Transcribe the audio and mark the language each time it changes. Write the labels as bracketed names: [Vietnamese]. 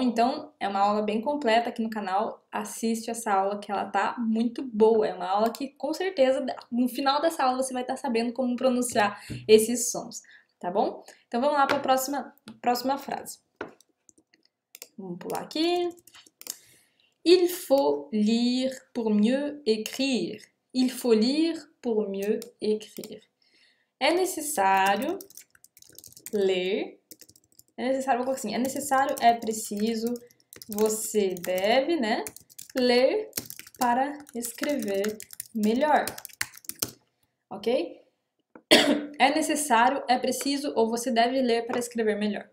[Portuguese] Então, é uma aula bem completa aqui no canal. Assiste essa aula que ela tá muito boa. É uma aula que, com certeza, no final dessa aula você vai estar sabendo como pronunciar esses sons. Tá bom? Então vamos lá para a próxima frase. Vamos pular aqui. [French] Il faut lire pour mieux écrire. Il faut lire pour mieux écrire. [Portuguese] É necessário ler. É necessário, vou colocar assim. É necessário, é preciso, você deve, né? Ler para escrever melhor. Ok? É necessário, é preciso ou você deve ler para escrever melhor.